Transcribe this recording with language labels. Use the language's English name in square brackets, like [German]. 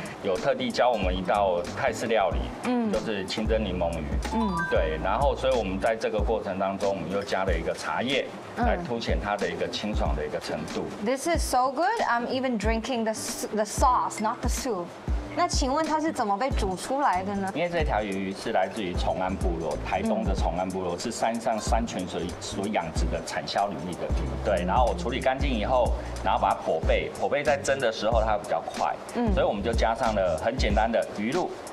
[Chinese] 所以事不宜迟，照常理来说，逻辑上来说就是老婆第一，应该就是鱼了吧，爱的结晶。是的，可以跟我们说说他是怎么被料理出来的吗？好，这次鱼翅来，是因为他喜欢吃酸酸辣辣的东西。嗯，对。然后我们的那个行政主厨又刚好是那个泰国餐厅的一个，对，有特地教我们一道泰式料理。就是清蒸柠檬鱼，对，然后所以我们在这个过程当中，我们又加了一个茶叶，来凸显它的一个清爽的一个程度。This [English] is so good. I'm even drinking the sauce, not the soup. [Chinese] 那请问它是怎么被煮出来的呢？因为这条鱼是来自于崇安部落，台东的崇安部落，是山上山泉水所养殖的产销领域的鱼。对，然后我处理干净以后，然后把它剖背，剖背在蒸的时候它比较快，所以我们就加上了很简单的鱼露。